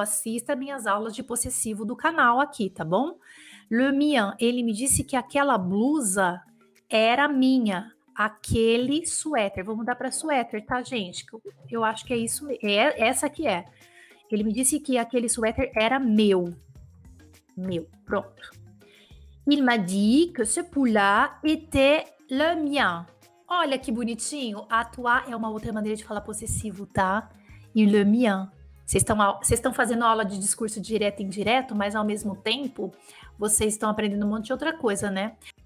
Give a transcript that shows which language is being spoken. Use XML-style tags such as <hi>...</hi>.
<pt>Assista minhas aulas de possessivo do canal aqui, tá bom?</pt> <fr>Le mien,</fr> <pt>ele me disse que aquela blusa era minha, aquele suéter. Vou mudar para suéter, tá, gente? Eu acho que é isso, essa que é. Ele me disse que aquele suéter era meu. Meu, pronto.</pt> <fr>Il m'a dit que ce pull-là était le mien.</fr> <pt>Olha que bonitinho. Atuar é uma outra maneira de falar possessivo, tá? E</pt> <fr>le mien.</fr> <pt>Vocês estão fazendo aula de discurso direto e indireto, mas ao mesmo tempo, vocês estão aprendendo um monte de outra coisa, né?</pt>